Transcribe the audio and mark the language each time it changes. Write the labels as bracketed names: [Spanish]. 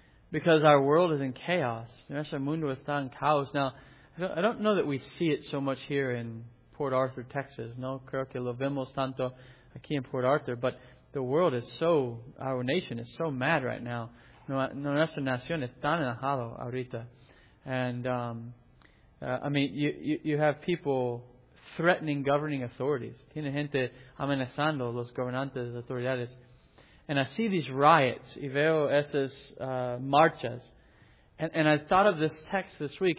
[English] Because our world is in chaos. Nuestro mundo está en caos. Now, I don't know that we see it so much here in Port Arthur, Texas. No creo que lo vemos tanto aquí in Port Arthur, but the world is so, our nation is so mad right now. [Spanish] Nuestra nación está enojada ahorita. [English] And, you have people threatening governing authorities. [Spanish] Tiene gente amenazando los gobernantes, autoridades. And I see these riots, y veo esas marchas. [English] And I thought of this text this week.